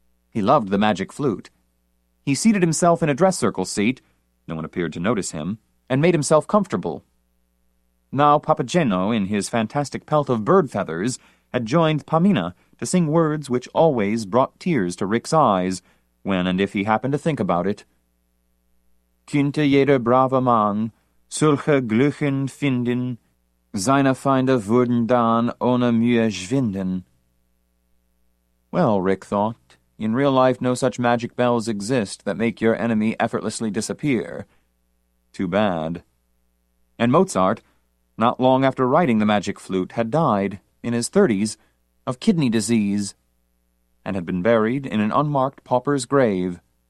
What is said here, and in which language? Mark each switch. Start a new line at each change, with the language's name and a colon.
English: He loved the magic flute. He seated himself in a dress circle seat, no one appeared to notice him, and made himself comfortable. Now Papageno, in his fantastic pelt of bird feathers, had joined Pamina to sing words which always brought tears to Rick's eyes, when and if he happened to think about it.
German: Künte jeder brave Mann solche Glücken finden, seine Feinde würden dann ohne Mühe schwinden.
English: Well, Rick thought, in real life no such magic bells exist that make your enemy effortlessly disappear. Too bad. And Mozart, not long after writing the magic flute, had died, in his 30s, of kidney disease, and had been buried in an unmarked pauper's grave.